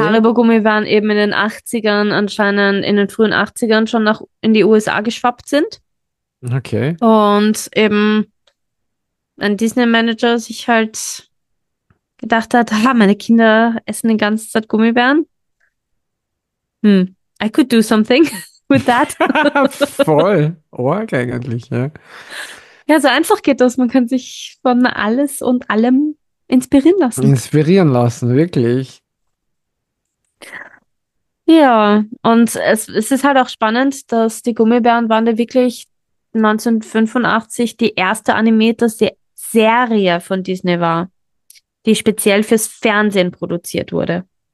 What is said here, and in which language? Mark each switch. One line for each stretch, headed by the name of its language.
German: Haribo-Gummibären eben in den 80ern anscheinend, in den frühen 80ern schon nach in die USA geschwappt sind. Okay. Und eben ein Disney-Manager sich halt gedacht hat, ah, meine Kinder essen den ganzen Tag Gummibären.
English: I could do something with that.
German: Voll. Org eigentlich, ja. Ja, so einfach geht das. Man kann sich von alles und allem inspirieren lassen. Inspirieren lassen, wirklich. Ja, und es ist halt auch spannend, dass die Gummibärenbande wirklich 1985 die erste animierte Serie von Disney war, die speziell fürs Fernsehen produziert wurde.